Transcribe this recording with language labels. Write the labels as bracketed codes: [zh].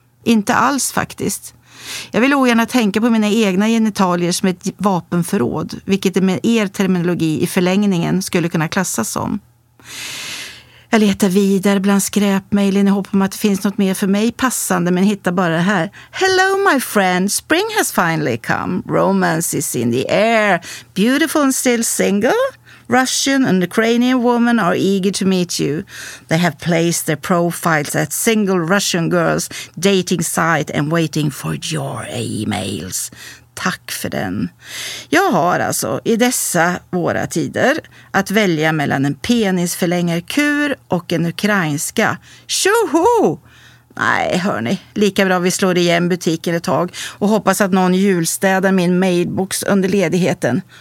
[sv] Inte alls faktiskt. Jag vill ogärna tänka på mina egna genitalier som ett vapenförråd, vilket med er terminologi i förlängningen skulle kunna klassas som. Jag letar vidare bland skräpmejlen i hopp om att det finns något mer för mig passande, men hittar bara det här. [en] Hello my friend, spring has finally come. Romance is in the air. Beautiful and still single? Russian and Ukrainian women are eager to meet you. They have placed their profiles at single Russian girls dating site and waiting for your emails. [sv] Tack för den. Jag har alltså i dessa våra tider att välja mellan en penisförlängarkur och en ukrainska. Tjoho! Nej, hörni. Lika bra vi slår igen butiken ett tag och hoppas att någon julstädar min mailbox under ledigheten.